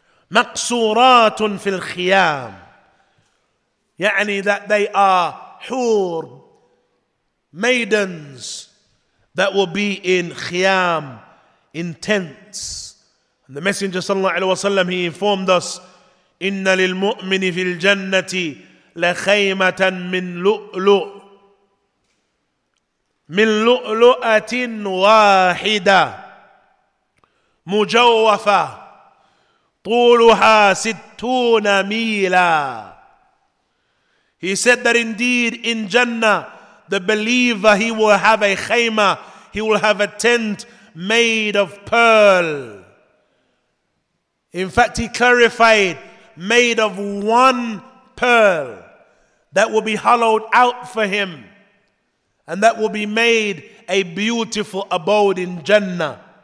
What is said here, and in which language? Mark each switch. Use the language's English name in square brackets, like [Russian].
[Arabic] Maqsuratun fil khiyam. [English] Ya'ni that they are hur, maidens, that will be in khiyam, in tents. And the Messenger sallallahu alaihi wasallam, he informed us [Arabic] إن للمؤمن في الجنة لخيمة من لؤلؤ من لؤلؤة واحدة مجوفة طولها [English] 60 meters. He said that indeed in Jannah, the believer, he will have a khaymah, he will have a tent made of pearl. In fact, he clarified, made of one pearl that will be hollowed out for him, and that will be made a beautiful abode in Jannah.